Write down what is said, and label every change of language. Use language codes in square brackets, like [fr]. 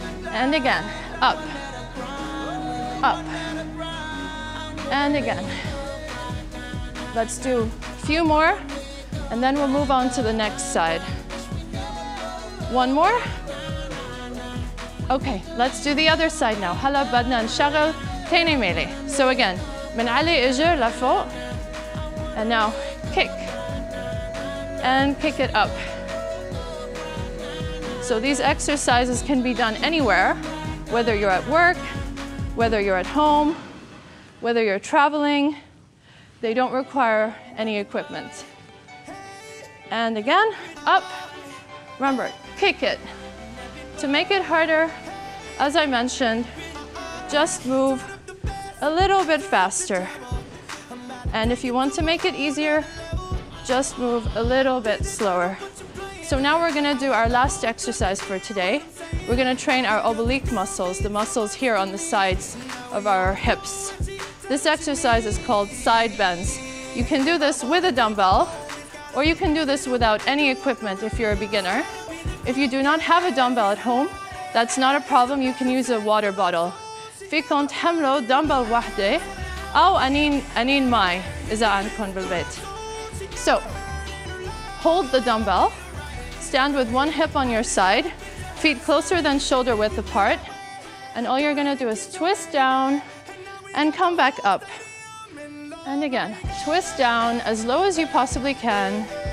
[en] And again, up, up, and again. Let's do a few more and then we'll move on to the next side. One more. Okay, let's do the other side now. [ar] هلا بدنا نشغل تاني ميلي. [en] So again, [ar] من علي إجر لفوق. [en] And now, kick. And kick it up. So these exercises can be done anywhere, whether you're at work, whether you're at home, whether you're traveling. They don't require any equipment. And again, up. Remember, kick it. To make it harder, as I mentioned, just move a little bit faster. And if you want to make it easier, just move a little bit slower. So now we're gonna do our last exercise for today. We're gonna train our oblique muscles, the muscles here on the sides of our hips. This exercise is called side bends. You can do this with a dumbbell, or you can do this without any equipment if you're a beginner. If you do not have a dumbbell at home, that's not a problem, you can use a water bottle. [ar] فيكم تحملوا دمبل واحدة أو أنين ماي إذا عندكم بالبيت. [en] So, hold the dumbbell, stand with one hip on your side, feet closer than shoulder width apart, and all you're gonna do is twist down and come back up. And again, twist down as low as you possibly can.